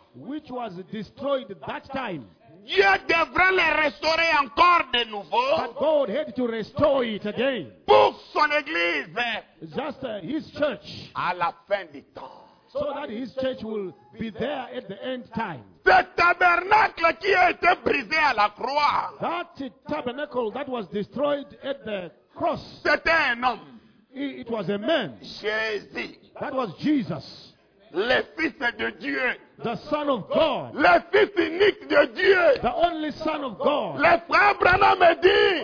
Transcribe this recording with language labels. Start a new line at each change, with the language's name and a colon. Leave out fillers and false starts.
English: Which was destroyed that time.
French: Dieu devrait le restaurer encore de nouveau.
English: But God had to restore it again.
French: Pour son église.
English: Just his church.
French: À la fin du temps.
English: So that his church will be there at the end time.
French: Ce tabernacle qui a été brisé à la croix.
English: That tabernacle that was destroyed at the cross.
French: C'était un homme.
English: It was a man.
French: Jésus.
English: That was Jesus.
French: Le fils de Dieu.
English: The Son of God.
French: Le fils unique de Dieu.
English: The only Son of God.
French: Le frère Branham dit.